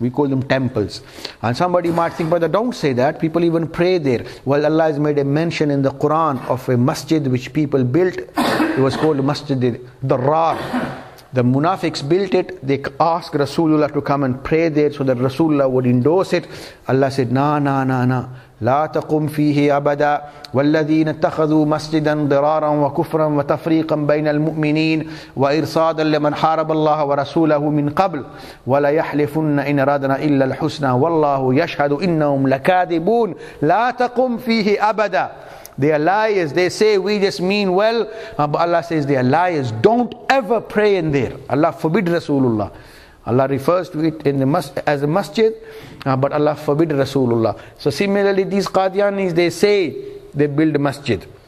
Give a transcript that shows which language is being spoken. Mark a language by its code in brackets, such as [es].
[en] We call them temples. And somebody might think, brother, don't say that. People even pray there. Well, Allah has made a mention in the Quran of a masjid which people built. It was called Masjid Dharrar. The munafiqs built it. They asked Rasulullah to come and pray there so that Rasulullah would endorse it. Allah said, no. [ar] لا تقم فيه أبدا والذين اتخذوا مسجدا ضرارا وكفرا وتفريقا بين المؤمنين وإرصادا لمن حارب الله ورسوله من قبل ولا يحلفن إن رادنا إلا الحسنى والله يشهد إنهم لكاذبون لا تقم فيه أبدا. [en] They are liars. They say we just mean well, but Allah says they are liars. Don't ever pray in there. Allah forbid Rasulullah. Allah refers to it in the as a masjid, but Allah forbid Rasulullah. So similarly, these Qadianis, they say they build a masjid.